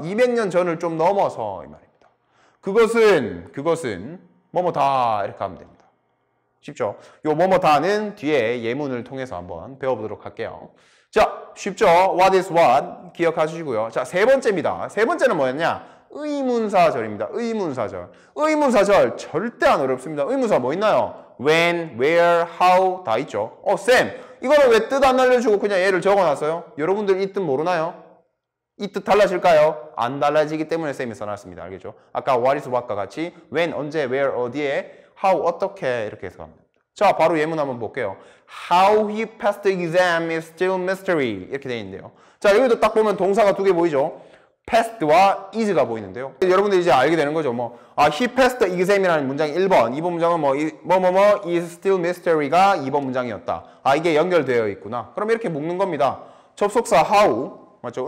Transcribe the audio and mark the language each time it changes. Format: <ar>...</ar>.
<ko>200년 전을 좀 넘어서 이 말입니다. 그것은 뭐뭐 다 이렇게 하면 됩니다. 쉽죠? 요 뭐뭐 다는 뒤에 예문을 통해서 한번 배워보도록 할게요. 자, 쉽죠?</ko> <en>What is what?</en> <ko>기억하시고요. 자, 세 번째입니다. 세 번째는 뭐였냐? 의문사절입니다. 의문사절. 의문사절 절대 안 어렵습니다. 의문사 뭐 있나요?</ko> <en>When, where, how</en> <ko>다 있죠. 쌤, 이거는 왜 뜻 안 알려주고 그냥 얘를 적어놨어요? 여러분들 이 뜻 모르나요? 이 뜻 달라질까요? 안 달라지기 때문에 쌤이 써놨습니다. 알겠죠? 아까 what is what과 같이 when, 언제, where, 어디에, how, 어떻게 이렇게 해석합니다. 자, 바로 예문 한번 볼게요.</ko> <en>How he passed the exam is still mystery.</en> <ko>이렇게 되어 있는데요. 자, 여기도 딱 보면 동사가 두 개 보이죠? past와 is가 보이는데요. 여러분들이 이제 알게 되는 거죠. 뭐, 아,</ko> <en>he passed the exam</en> <ko>이라는 문장이 1번, 2번 문장은 뭐뭐뭐</ko> <en>is still mystery</en> <ko>가 2번 문장이었다. 아, 이게 연결되어 있구나. 그럼 이렇게 묶는 겁니다. 접속사 how, 맞죠?</ko>